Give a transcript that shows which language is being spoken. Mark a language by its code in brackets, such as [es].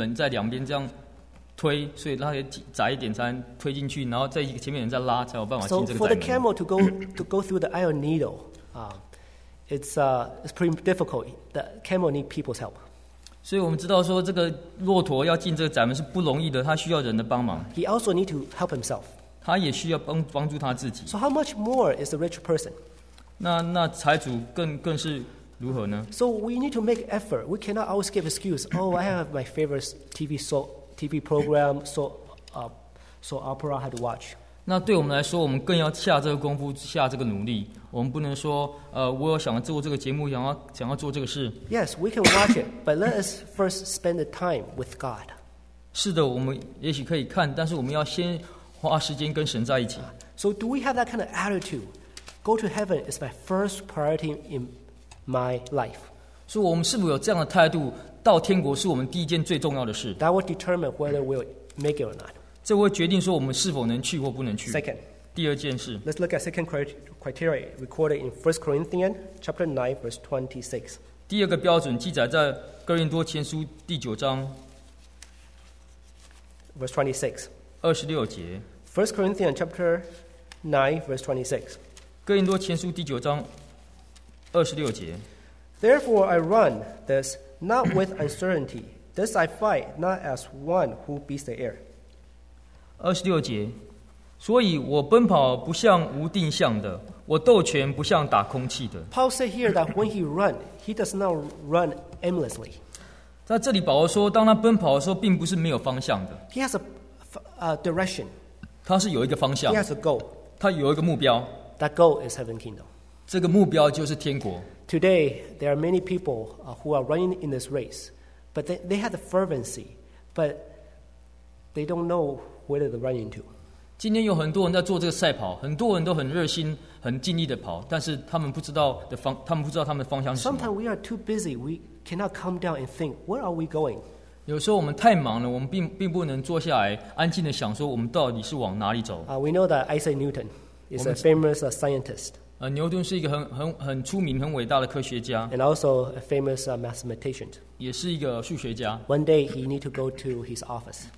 [zh] 所以胖的就要两边有两边的一门在两边这样推, 所以它窄一点才推进去，然后在前面人再拉才有办法进这个窄门。 [en] So for the camel to go through the iron needle, it's pretty difficult. The camel need people's help. [zh] 所以我们知道说这个骆驼要进这个窄门是不容易的，他需要人的帮忙。 [en] He also need to help himself. [zh] 他也需要帮助他自己。 [en] So how much more is the rich person? [zh] 那财主更是如何呢？ [en] So we need to make effort. We cannot always give excuse. Oh, I have my favorite TV program, soap opera I had to watch. [zh] 那对我们来说，我们更要下这个功夫，下这个努力。我们不能说，我有想做这个节目，想要做这个事。 [en] Yes, we can watch it, but let us first spend the time with God. [zh] 是的，我们也许可以看，但是我们要先花时间跟神在一起。 [en] So do we have that kind of attitude Go to heaven is my first priority in my life. [zh] 所以我们是否有这样的态度，到天国是我们第一件最重要的事。 [en] That will determine whether we'll make it or not. [zh] 这会决定说我们是否能去或不能去。 [en] Second, [zh] 第二件事。 [en] Let's look at second criteria recorded in 1 Corinthians chapter 9 verse 26. [zh] 第二个标准记载在哥林多前书第九章。 [en] Verse 26. [zh] 二十六节。 [en] First Corinthians chapter 9 verse 26. [zh] 哥林多前书第九章二十六节。 [en] Therefore I run this not with uncertainty, this I fight not as one who beats the air. [zh] 二十六节，所以我奔跑不像无定向的，我斗拳不像打空气的。 [en] Paul said here that when he run, he does not run aimlessly. [zh] 在这里，保罗说，当他奔跑的时候，并不是没有方向的。 [en] He has a direction. [zh] 他是有一个方向。 [en] He has a goal. [zh] 他有一个目标。 [en] That goal is heaven kingdom. [zh] 这个目标就是天国。 [en] Today, there are many people who are running in this race, but they have the fervency, but they don't know where they're running to. [zh] 今天有很多人在做这个赛跑，很多人都很热心、很尽力的跑，但是他们不知道的方，他们不知道他们的方向是什么。 [en] Sometimes we are too busy, we cannot calm down and think, where are we going? [zh] 有时候我们太忙了，我们并不能坐下来安静的想说我们到底是往哪里走。 [en] We know that Isaac Newton. He's a famous scientist. [zh] 牛顿是一个很出名、很伟大的科学家。 [en] And also a famous mathematician. [zh] 也是一个数学家。 [en] One day he need to go to his office.